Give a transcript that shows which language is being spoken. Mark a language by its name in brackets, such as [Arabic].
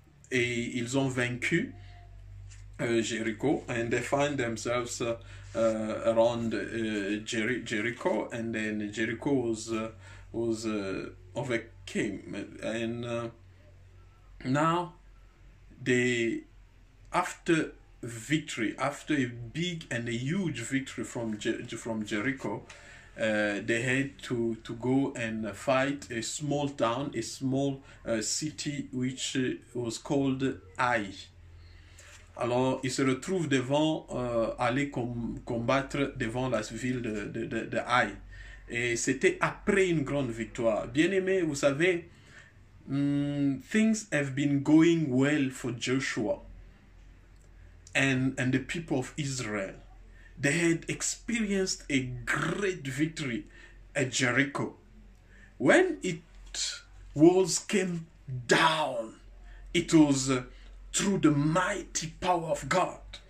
[French] et ils ont vaincu Jéricho [English] and they find themselves around Jericho and then Jericho was overcame and now they after victory after a big and a huge victory from Jericho. They had to go and fight a small town, a small city which was called Ai. [French] Alors, ils se retrouvent devant aller combattre devant la ville de Ai. Et c'était après une grande victoire. Bien-aimés, vous savez, [English] things have been going well for Joshua and the people of Israel. They had experienced a great victory at Jericho. When it walls came down, it was through the mighty power of God.